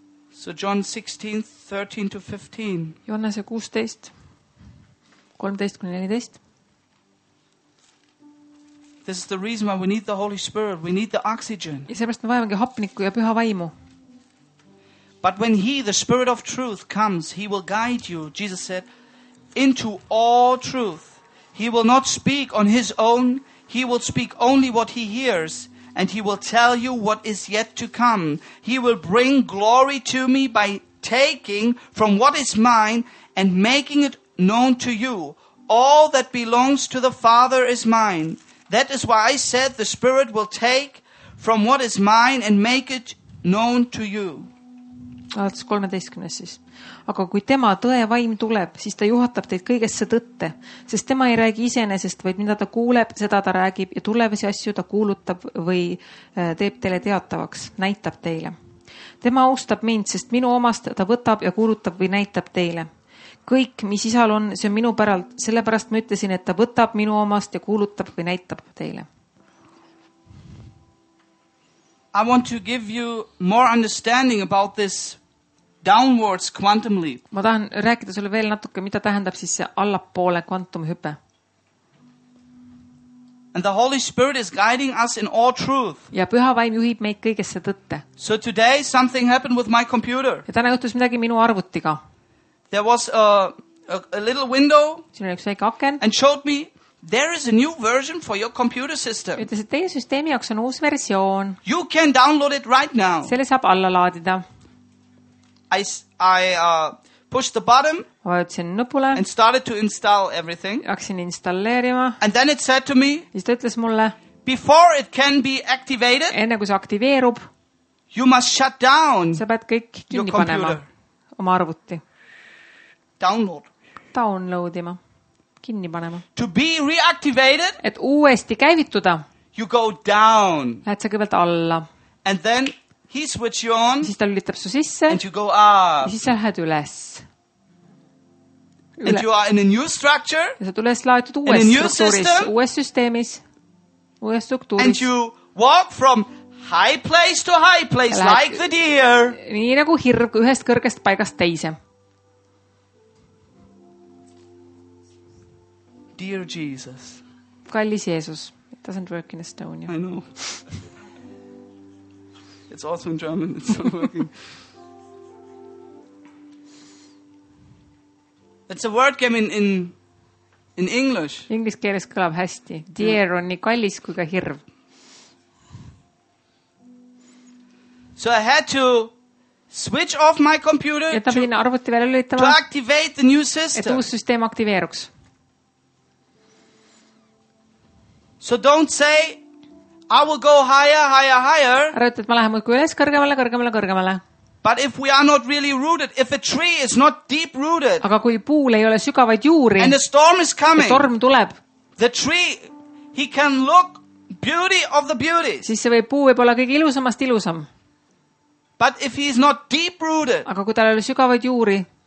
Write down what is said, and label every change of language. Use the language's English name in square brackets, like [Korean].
[English] So John 16:13-15. [Estonian] Johannese 16, 13-14. [English] This is the reason why we need the Holy Spirit. We need the oxygen. [Estonian] Ja sellepärast me vajamegi hapniku ja püha vaimu. [English] But when he, the Spirit of truth, comes, he will guide you, Jesus said, into all truth. He will not speak on his own. He will speak only what he hears. And he will tell you what is yet to come. He will bring glory to me by taking from what is mine and making it known to you. All that belongs to the Father is mine. That is why I said the Spirit will take from what is mine and make it known to you. [Estonian] Alates 13. Siis. Aga kui tema tõe vaim tuleb, siis ta juhatab teid kõigesse tõtte, sest tema ei räägi isenesest, vaid mida ta kuuleb, seda ta räägib ja tulevasi asju ta kuulutab või teeb teile teatavaks, näitab teile. Tema austab mind, sest minu omast ta võtab ja kuulutab või näitab teile. Kõik, mis isal on, see on minu päralt, sellepärast ma ütlesin, et ta võtab minu omast ja kuulutab või näitab teile. [English] I want to give you more understanding about this downwards quantum leap. [Estonian] Ma tahan rääkida sulle veel natuke, mida tähendab siis see allapoole kvantumhüpe. [English] And the Holy Spirit is guiding us in all truth. [Estonian] Ja püha vaim juhib meid kõigesse tõtte. [English] So today something happened with my computer. [Estonian] Ja täna juhtus midagi minu arvutiga. [English] There was a little window. [Estonian] Siin oli üks väike aken. [English] And showed me there is a new version for your computer system. [Estonian] Ütles, et teie süsteemi jaoks on uus versioon. [English] You can download it right now. [Estonian] Selle saab alla laadida. [English] I push the button. [Estonian] Vajutsin nupule. [English] And started to install everything. [Estonian] Jaksin installeerima. [English] And then it said to me. [Estonian] Siis ta ütles mulle. [English] Before it can be activated. [Estonian] Enne kui see aktiveerub. [English] You must shut down. [Estonian] Sa pead kõik kinni panema. Oma arvuti. [English] Download. [Estonian] Downloadima. Kinni panema. [English] To be reactivated. [Estonian] Et uuesti käivituda. [English] You go down. [Estonian] Lähed sa kõigepealt alla. [English] And then he switch you on. [Estonian] Siis ta lülitab su sisse. [English] And you go up. [Estonian] Ja siis sa lähed üles. [English] And you are in a new structure. [Estonian] Ja sa tules laetud uues struktuuris. Uues süsteemis. Uues struktuuris. [English] And you walk from high place to high place like the deer. [Estonian] Nii nagu hirv ühest kõrgest paigast teise. [English] Dear Jesus. [Estonian] Kallis Jeesus. [English] It doesn't work in Estonia. I know. It's also in German. It's not working. It's a word game in English. [Estonian] Inglise keeles kõlab hästi. Dear on nii kallis kui ka hirv. [English] So I had to switch off my computer to activate the new system. [Estonian] Et uus süsteem aktiveeruks. [English] So don't say, I will go higher, higher, higher. [Estonian] Arvata, et ma lähen muidugi üles kõrgemale, kõrgemale, kõrgemale. [English] But if we are not really rooted, if a tree is not deep rooted. [Estonian] Aga kui puul ei ole sügavaid juuri. [English] And a storm is coming. [Estonian] Ja torm tuleb. [English] The tree, he can look beauty of the beauties. [Estonian] Siis see võib puu võib olla kõige ilusamast ilusam. [English] But if he is not deep rooted. [Estonian] Aga kui tal ei ole sügavaid juuri.